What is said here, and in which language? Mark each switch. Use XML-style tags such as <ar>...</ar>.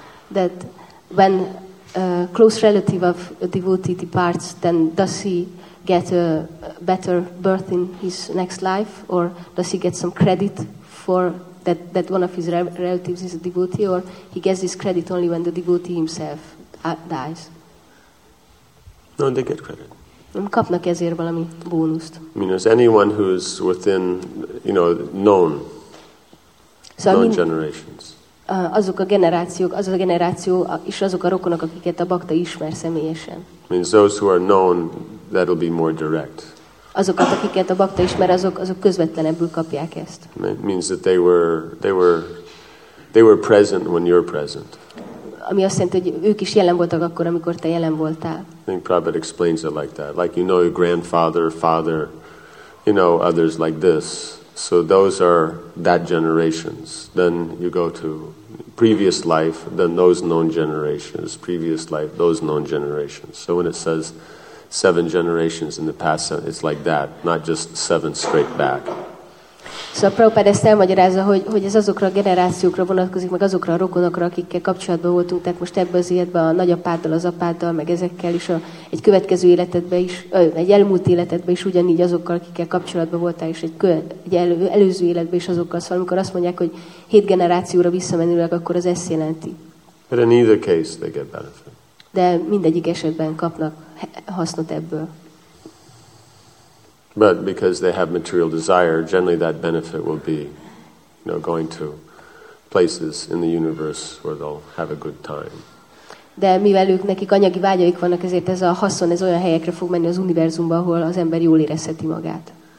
<en>That when... A close relative of a devotee departs, then does he get a better birth in his next life, or does he get some credit for that one of his relatives is a devotee, or he gets this credit only when the devotee himself dies. No, they get credit.</en> <hu>Kapnak ezért valami bónuszt.</hu> <en>I mean, as anyone who's within, you know, known, so known I mean, generations.</en> <hu>Azok a generációk, az a generáció és azok a rokonok, akiket a bakta ismer személyesen.</hu> <en>I mean, those who are known, that'll be more direct.</en> <hu>Azokat, akiket a bakta ismer, azok közvetlenebbül kapják ezt.</hu> <en>It means that they were present when you're present.</en> <hu>Ami azt jelenti, hogy ők is jelen voltak akkor, amikor te jelen voltál.</hu> <en>I think Prabhupada explains it like that. Like, you know, your grandfather, father, you know, others like this. So those are that generations. Then you go to previous life, then those known generations, previous life, those known generations. So when it says seven generations in the past, it's like that, not just seven straight back.</en> <hu>So Prabhupada ezt elmagyarázza, hogy ez azokra a generációkra vonatkozik, meg azokra a rokonokra, akikkel kapcsolatban voltunk, tehát most ebben az életben a nagyapáddal, az apáddal, meg ezekkel is, egy következő életedben is, egy elmúlt életedben is ugyanígy azokkal, akikkel kapcsolatban voltál, és egy előző életben is azokkal. Szóval amikor azt mondják, hogy hét generációra visszamenőleg, akkor az ezt jelenti.</hu> <en>But in either case they get benefit.</en> <hu>De mindegyik esetben kapnak hasznot ebből.</hu> <en>But because they have material desire, generally that benefit will be, you know, going to places in the universe where they'll have a good time.</en> <hu>De mivel ők nekik anyagi vágyaik vannak, ezért ez a haszon ez olyan helyekre fog menni az univerzumban, ahol az ember jól érezheti magát.</hu>